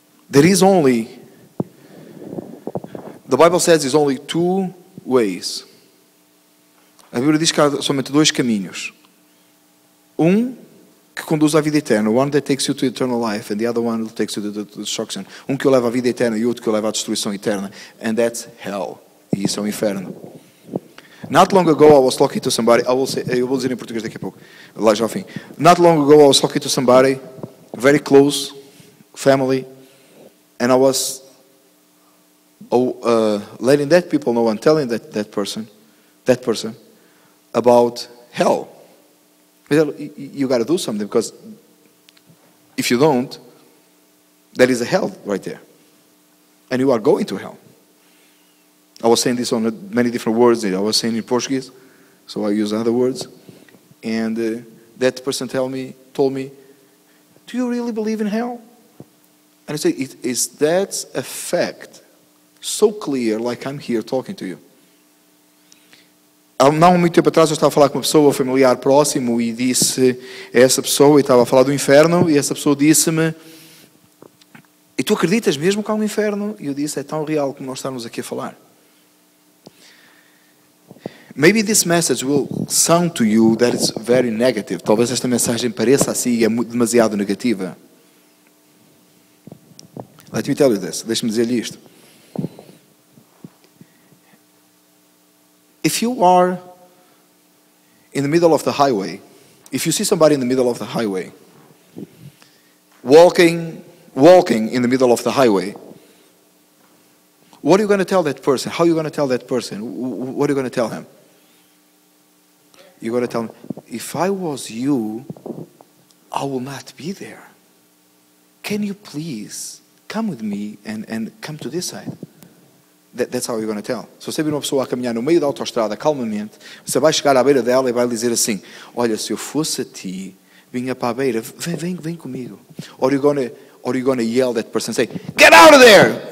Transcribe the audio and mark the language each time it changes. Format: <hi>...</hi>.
<en>There is only, the Bible says there's only two ways.</en> <pt>A Bíblia diz que há somente dois caminhos. Um que conduz à vida eterna,</pt> <en>one that takes you to eternal life and the other one that takes you to destruction.</en> <pt>Um que o leva à vida eterna e outro que o leva à destruição eterna.</pt> <en>And that's hell.</en> <pt>E isso é o inferno.</pt> <en>Not long ago I was talking to somebody,</en> <pt>eu vou dizer em português daqui a pouco, lá já ao fim.</pt> <en>Not long ago I was talking to somebody, very close, family, and I was letting that people know and telling that person, about hell. You got to do something because if you don't, there is a hell right there. And you are going to hell. I was saying this on many different words. I was saying in Portuguese, so I use other words. And that person told me, do you really believe in hell? And I said, is that a fact so clear like I'm here talking to you?</en> <pt>Não muito tempo atrás eu estava a falar com uma pessoa familiar próximo e disse a essa pessoa, e estava a falar do inferno, e essa pessoa disse-me, E tu acreditas mesmo que há um inferno? E eu disse, é tão real como nós estamos aqui a falar.</pt> <en>Maybe this message will sound to you that it's very negative.</en> <pt>Talvez esta mensagem pareça assim e é demasiado negativa.</pt> <en>Let me tell you this.</en> <pt>Deixa-me dizer-lhe isto.</pt> <en>If you are in the middle of the highway, if you see somebody in the middle of the highway, walking in the middle of the highway, what are you going to tell that person? How are you going to tell that person? What are you going to tell him? You're going to tell him, if I was you, I will not be there. Can you please come with me and come to this side? That's how you're going to tell.</en> <pt>Se você vir uma pessoa a caminhar no meio da autoestrada, calmamente, você vai chegar à beira dela e vai dizer assim, olha, se eu fosse a ti, vinha para a beira, vem comigo.</pt> <en>Or you're going to yell that person, say, get out of there!</en>